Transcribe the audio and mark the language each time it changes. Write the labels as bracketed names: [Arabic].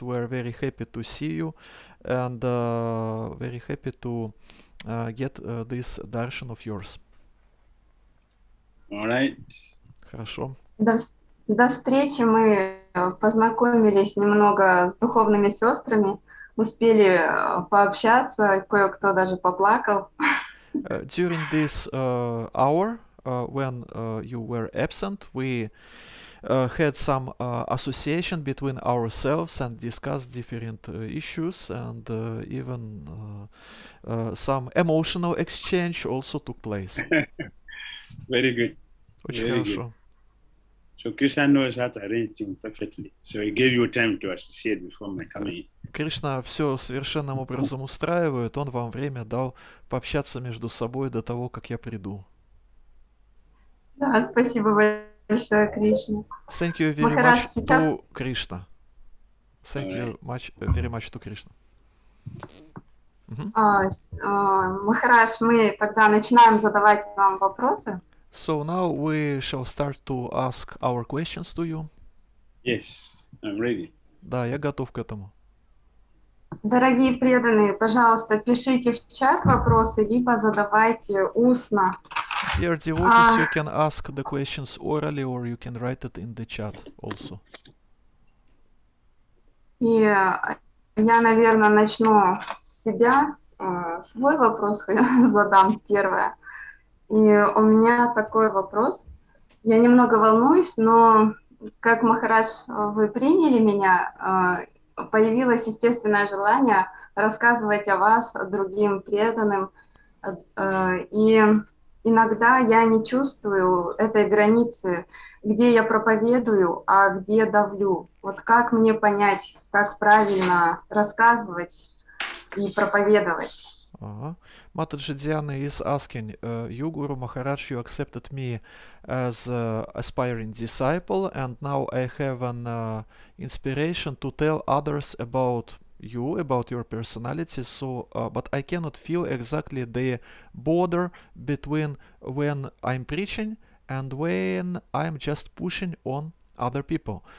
[English] We are very happy to see you, and very happy to get this darshan of yours. All right. [Russian] Хорошо. До встречи мы познакомились немного с духовными сестрами, успели пообщаться, кое-кто даже поплакал. [English] During this hour, when you were absent, we had some association between ourselves and discussed different issues, and even some emotional exchange also took place. Very good. [Russian] Очень [English] Very [Russian] хорошо. [English] good. So Krishna knows how to arrange things perfectly. So he gave you time to associate before my coming. [Russian] Кришна все совершенным образом устраивает. Он вам время дал пообщаться между собой до того, как я приду. Да, спасибо большое, Кришна. [English] Thank you very [Russian] Махарадж, [English] much [Russian] сейчас... [English] to Krishna. Thank you much, very much to Krishna. [Russian] Махарадж, мы тогда начинаем задавать вам вопросы. [English] So now we shall start to ask our questions to you. Yes, I'm ready. [Russian] Да, я готов к этому. Дорогие преданные, пожалуйста, пишите в чат вопросы, либо задавайте устно. [English] Dear devotees, you can ask the questions orally, or you can write it in the chat also. [Russian] Я, наверное, начну с себя. Свой вопрос я задам первое. И у меня такой вопрос. Я немного волнуюсь, но как Махарадж, вы приняли меня, появилось естественное желание рассказывать о вас другим преданным. И иногда я не чувствую этой границы, где я проповедую, а где давлю. Вот как мне понять, как правильно рассказывать и проповедовать? [English] Mataji Diana is asking, you Guru Maharaj, you accepted me as an aspiring disciple, and now I have an inspiration to tell others about you, about your personality, so but I cannot feel exactly the border between when I'm preaching and when I'm just pushing on other people.